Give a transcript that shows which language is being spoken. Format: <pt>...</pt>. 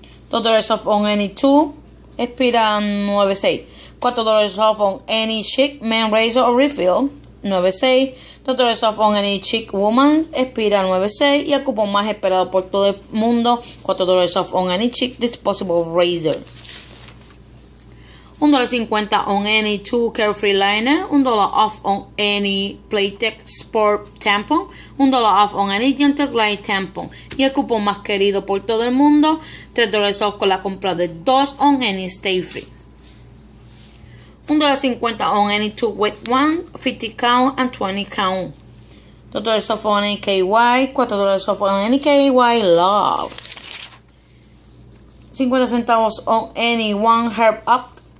<en>$2 off on any 2.</en> <es>Expira</es> <en>9.6. $4 off on any Chic Men Razor or Refill. 9.6. $2 off on any Chic Woman.</en> <es>Expira</es> <en>9.6.</en> <es>Y el cupón más esperado por todo el mundo.</es> <en>$4 off on any Chic Disposable Razor. $1.50 on any two carefree liner. $1 off on any Playtex Sport tampon. $1 off on any Gentle Glide tampon.</en> <es>Y el cupón más querido por todo el mundo.</es> <en>$3 off</en> <es>con la compra de dos</es> <en>on any Stay Free. $1.50 on any two wet one, 50 count and 20 count. $3 off on any KY. $4 off on any KY Love. 50 centavos on any one herb up.</en>